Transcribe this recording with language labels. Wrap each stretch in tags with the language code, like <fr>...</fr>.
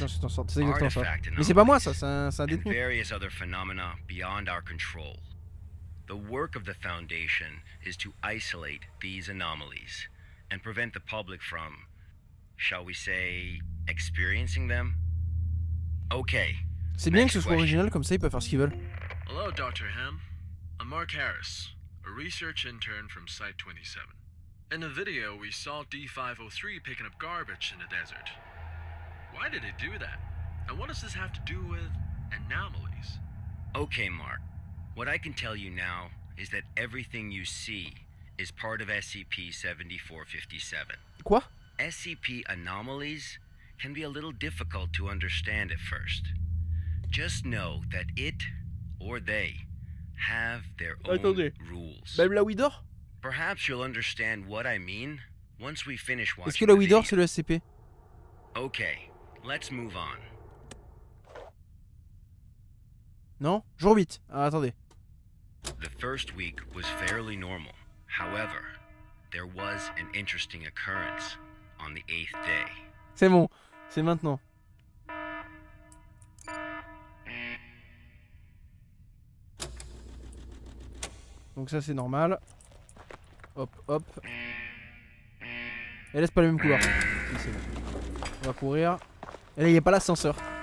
<en>artifact anomalies, and various other phenomena beyond our control. The work of the Foundation is to isolate these anomalies and prevent the public from... shall we say, experiencing them? Okay.</en> <fr>C'est bien que ce soit original, comme ça ils peuvent faire ce qu'ils veulent.</fr> <en>Hello, Dr. Hamm. I'm Mark Harris, a research intern from Site 27. In the video, we saw D-503 picking up garbage in the desert. Why did it do that? And what does this have to do with anomalies? Okay, Mark. What I can tell you now is that everything you see is part of SCP-7457.</en> <fr>Quoi?</fr> <en>SCP anomalies can be a little difficult to understand at first. Just know that it or they have their</en> <fr>Attendez.</fr> <en>Own rules.</en> <fr>Même la Widor?</fr> <en>Perhaps you'll understand what I mean once we finish watching.</en> <fr>Est-ce que la Widor c'est le SCP?</fr> <en>Okay, let's move on.</en> <fr>Non, jour 8. Ah, attendez.</fr> <en>The first week was fairly normal. However, there was an interesting occurrence. On the eighth day.</en> <fr>C'est bon, c'est maintenant. Donc ça c'est normal. Hop, hop. Elle laisse pas le même couloir. Si, c'est bon. On va courir. Et là il n'y a pas l'ascenseur.</fr>